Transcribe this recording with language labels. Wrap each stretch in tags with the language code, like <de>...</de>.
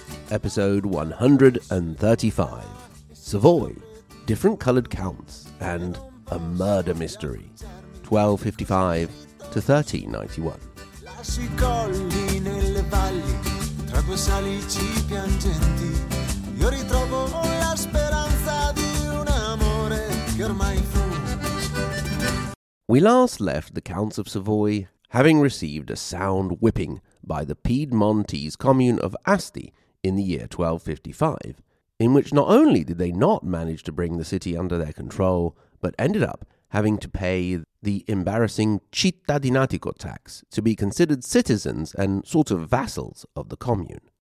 <en>Episode 135. Savoy, different coloured counts, and a murder mystery. 1255 to 1391.</en> <it>Lasci I colli nelle valli, tra due salici piangenti. Io ritrovo la speranza di un amore che ormai fu.</it> <en>We last left the Counts of Savoy having received a sound whipping by the Piedmontese commune of Asti in the year 1255, in which not only did they not manage to bring the city under their control, but ended up having to pay the embarrassing cittadinatico tax to be considered citizens and sort of vassals of the commune.</en>